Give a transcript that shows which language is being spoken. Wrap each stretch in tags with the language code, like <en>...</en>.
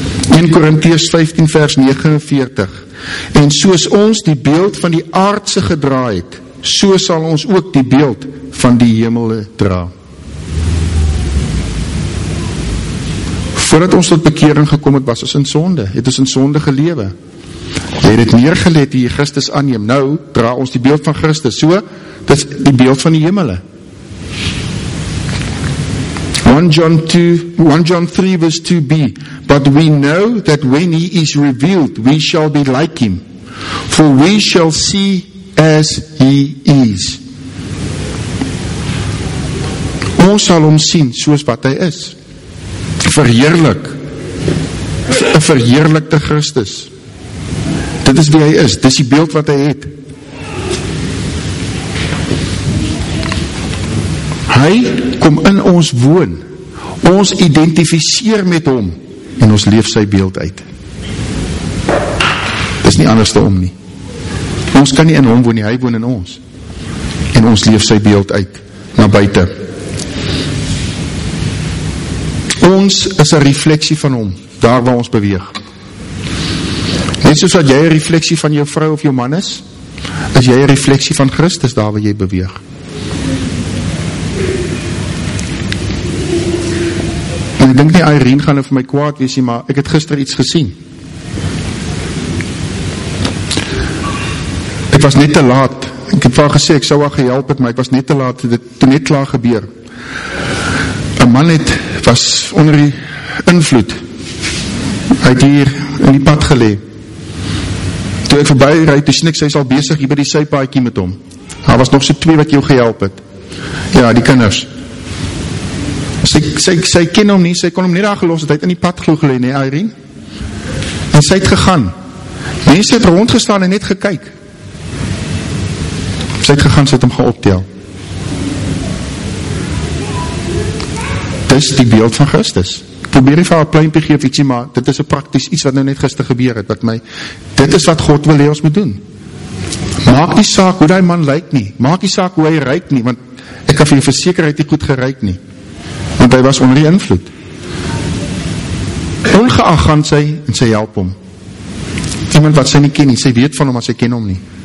<af>1 Korintiërs 15 vers 49, en soos ons die beeld van die aardse gedra het, so sal ons ook die beeld van die hemele dra. Voordat ons tot bekering gekom het, was ons in sonde, het ons in sonde gelewe. Hy het neergelet die Christus aanneem, nou dra ons die beeld van Christus, so, dit is die beeld van die hemele.</af> <en>1 John 3 verse 2b, but we know that when he is revealed, we shall be like him, for we shall see as he is.</en> <af>Ons sal hom sien soos wat hy is, verheerlik, 'n verheerlikte Christus. Dit is wie hy is, dit is die beeld wat hy het. Hy kom in ons woon, ons identificeer met hom en ons leef sy beeld uit. Dis nie anders te om nie. Ons kan nie in hom woon nie, hy woon in ons. En ons leef sy beeld uit na buite. Ons is 'n refleksie van hom, daar waar ons beweeg. Net soos wat jy 'n refleksie van jou vrou of jou man is, is jy 'n refleksie van Christus daar waar jy beweeg. Ek dink nie Irene gaan nou vir my kwaad wees nie, maar ek het gister iets gesien. Ek was was net te laat. Ek het vir gesê, ek sou haar gehelp het, maar ek was net te laat, dit het net klaar gebeur. Een man het, was onder die invloed, hy het hier in die pad gelee. Toe ek voorbij rijd, toe sien ek, sy is al bezig hier by die sypaakie met hom. Daar was nog so twee wat jou gehelp het. Ja, die kinders. Sy ken hom nie, sy kon hom net daar gelos, het hy het in die pad gelee, nie, Irene? En sy het gegaan. Mense het rondgestaan en net gekyk. Sy het gegaan, sy het hom geoptel. Dis die beeld van Christus. Ek probeer nie vir haar een pluimpie geef ietsie, maar dit is een praktisch iets wat nou net gister gebeur het, wat my, dit is wat God wil hê ons moet doen. Maak nie saak hoe die man lyk nie, maak nie saak hoe hy ruik nie, want ek kan vir jou versekerheid nie goed geruik nie, want hy was onder die invloed. Ongeag gaan sy en sy help hom. Iemand wat sy nie ken nie, sy weet van hom, maar sy ken hom nie.</af>